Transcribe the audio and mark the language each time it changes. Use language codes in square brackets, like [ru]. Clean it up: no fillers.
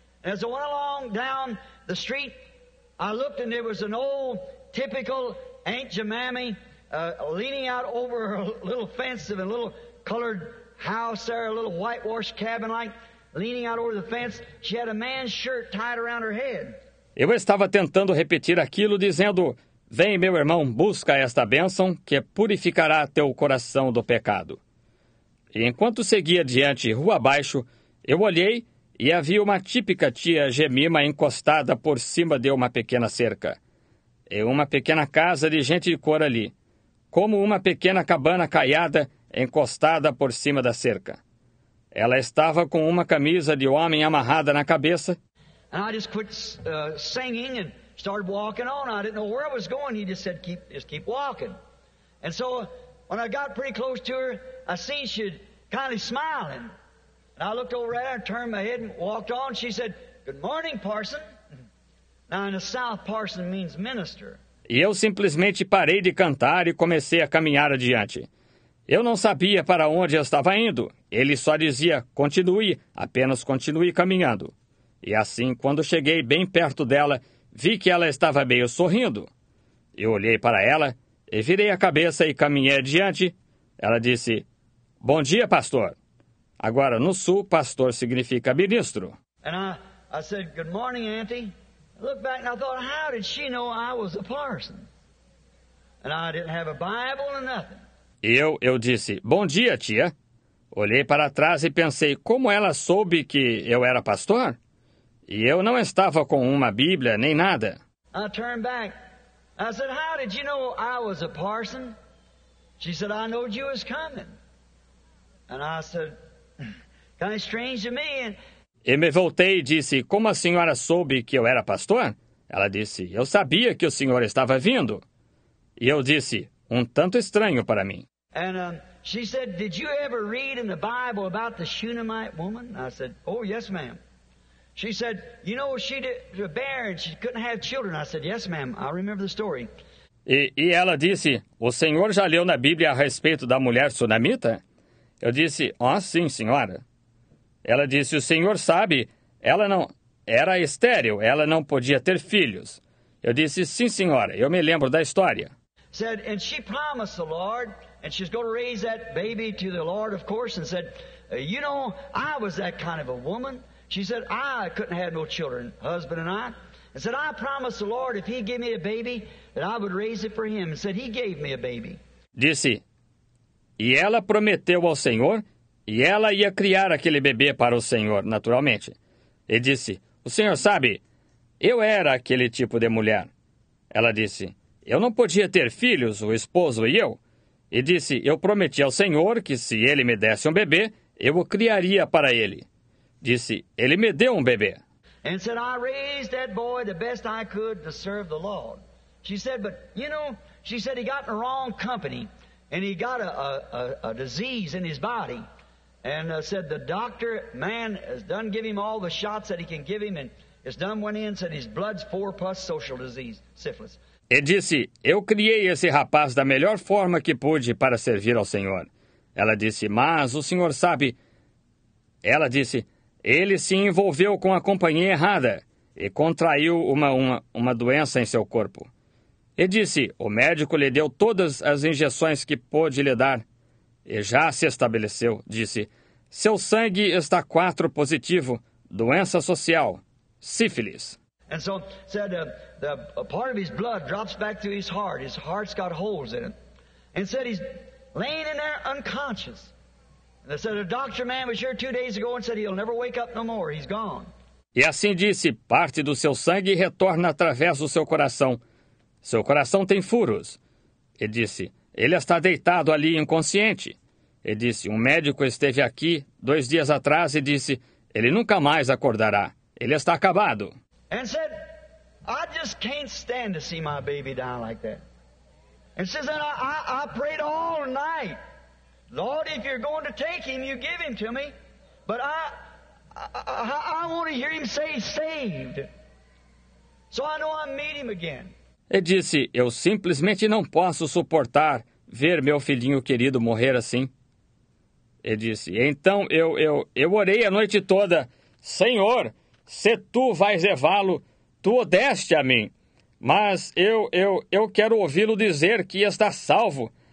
[en] As I went along down the street... I looked and there was an old, typical Aunt Jemima leaning out over a little fence of a little colored house there, a little whitewashed cabin like, leaning out over the fence. She had a man's shirt tied around her head. [pt] Eu estava tentando repetir aquilo, dizendo, vem, meu irmão, busca esta bênção que purificará teu coração do pecado. E enquanto seguia adiante, rua abaixo, eu olhei, e havia uma típica tia Jemima encostada por cima de uma pequena cerca. E uma pequena casa de gente de cor ali. Como uma pequena cabana caiada encostada por cima da cerca. Ela estava com uma camisa de homem amarrada na cabeça. E eu apenas [en] quit singing and started walking on. I didn't know where I was going. He just said, keep walking. And so when I got pretty close to her, I seen she kind of smiling. And I looked over at her and turned my head and walked on. She said, good morning, parson. Now, in the South, parson means minister. [pt] E eu simplesmente parei de cantar e comecei a caminhar adiante. Eu não sabia para onde eu estava indo. Ele só dizia, continue, apenas continue caminhando. E assim, quando cheguei bem perto dela, vi que ela estava meio sorrindo. Eu olhei para ela e virei a cabeça e caminhei adiante. Ela disse, bom dia, pastor. Agora, no sul, pastor significa ministro. [en] And I said, good morning, auntie. I looked back and I thought, how did she know I was a parson? And I didn't have a Bible or nothing. [pt] E eu disse, bom dia, tia. Olhei para trás e pensei, como ela soube que eu era pastor? E eu não estava com uma Bíblia nem nada. [en] I turned back. I said, how did you know I was a parson? She said, I knew you was coming. And I said... Kind of strange to me. [pt] E me voltei e disse, como a senhora soube que eu era pastor? Ela disse, eu sabia que o senhor estava vindo. E eu disse, um tanto estranho para mim. [en] She said, did you ever read in the Bible about the Shunammite woman? I said, oh, yes, ma'am. She said, you know, she was barren, she couldn't have children. I said, yes, ma'am, I remember the story. [pt] E ela disse, o senhor já leu na Bíblia a respeito da mulher sunamita? Eu disse, oh, sim, senhora. Ela disse, o senhor sabe, ela não era estéril, ela não podia ter filhos. Eu disse, sim, senhora, eu me lembro da história. [en] Said, and she promised the Lord, and she's going to raise that baby to the Lord, of course, and said, you know, I was that kind of a woman. She said, I couldn't have no children, husband and I. And said, I promised the Lord, if he'd give me a baby, that I would raise it for him. And said, he gave me a baby. [pt] Disse, e ela prometeu ao Senhor, e ela ia criar aquele bebê para o Senhor, naturalmente. E disse, o Senhor sabe, eu era aquele tipo de mulher. Ela disse, eu não podia ter filhos, o esposo e eu. E disse, eu prometi ao Senhor que se ele me desse um bebê, eu o criaria para ele. Disse, ele me deu um bebê. [en] And said, I raised that boy the best I could to serve the Lord. She said, but you know, she said he got in the wrong company and he got a disease in his body. And said, the doctor, man, has done give him all the shots that he can give him and has done went in and said his blood's 4+ social disease, syphilis. [pt] E disse, eu criei esse rapaz da melhor forma que pude para servir ao Senhor. Ela disse, mas o Senhor sabe. Ela disse, ele se envolveu com a companhia errada e contraiu uma doença em seu corpo. E disse, o médico lhe deu todas as injeções que pôde lhe dar e já se estabeleceu. Disse, seu sangue está 4 positivo, doença social, sífilis. [en] And so said a part of his blood drops back to his heart. His heart's got holes in it. And said he's laying in there unconscious. And they said a doctor man was here 2 days ago and said he'll never wake up no more. He's gone. [pt] E assim disse, parte do seu sangue retorna através do seu coração. Seu coração tem furos. E disse, ele está deitado ali inconsciente. E disse, um médico esteve aqui 2 dias atrás e disse, ele nunca mais acordará. Ele está acabado. [en] And said, I just can't stand to see my baby die like that. And says, and I prayed all night. Lord, if you're going to take him, you give him to me. But I want to hear him say saved. So I know I'll meet him again. [pt] E disse, eu simplesmente não posso suportar ver meu filhinho querido morrer assim. E disse, então eu orei a noite toda, Senhor, se tu vais levá-lo, tu o deste a mim. Mas eu quero ouvi-lo dizer que está salvo.